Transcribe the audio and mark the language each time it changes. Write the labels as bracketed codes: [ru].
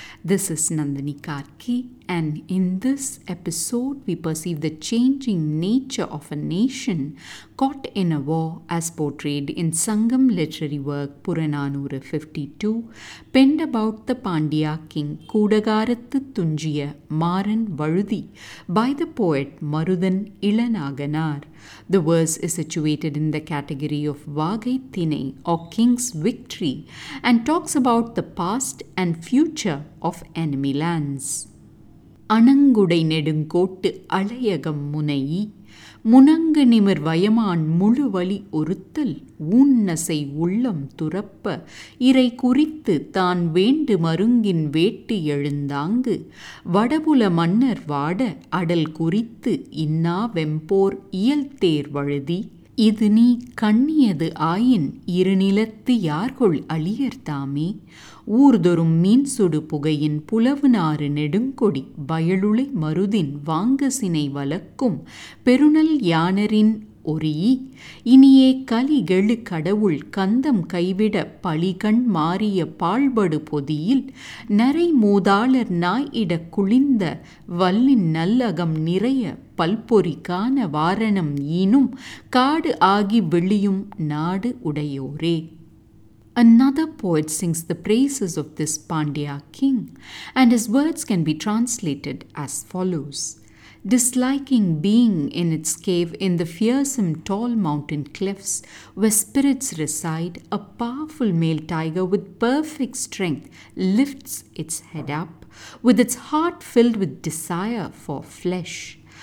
[en] This is Nandini Karki, and in this episode we perceive the changing nature of a nation caught in a war as portrayed in Sangam literary work Puranoor 52, penned about the Pandya king Koodagarathu Thunjiya Maran Vazhuthi by the poet Marudan Ilanaganar. The verse is situated in the category of Vagai Thinai or King's Victory and talks about the past and future of enemy lands. [ta] அணங்குடை நெடுங்கோட்டு அலையகம் முனை முனங்கு நிமிர் வயமான் முழு வழி ஒருத்தல் ஊன்னசை உள்ளம் துறப்ப இறை குறித்து தான் வேண்டு மருங்கின் வேட்டு எழுந்தாங்கு வடபுல மன்னர் வாட அடல் குறித்து இன்னா வெம்போர் இயல்தேர் வழுதி இது நீ கண்ணியது ஆயின் இருநிலத்து யார்கொள் அழியர்தாமே ஊர்தொரும் மீன் சுடு புகையின் புலவு நாறு நெடுங்கொடி வயலுளை மருதின் வாங்கசினை வளக்கும் பெருநல் யானரின் ஒரீ இனியே கலிகெழு கடவுள் கந்தம் கைவிட பழிகண் மாறிய பாழ்படு பொதியில் நரை மூதாளர் நாயிட குளிந்த வல்லின் நல்லகம் நிறைய பல்பொறிக்கான வாரணம் ஈனும் காடு ஆகி வெளியும் நாடு உடையோரே. [en] Another poet sings the praises of this Pandya king, and his words can be translated as follows. Disliking being in its cave in the fearsome tall mountain cliffs where spirits reside, a powerful male tiger with perfect strength lifts its head up, with its heart filled with desire for flesh.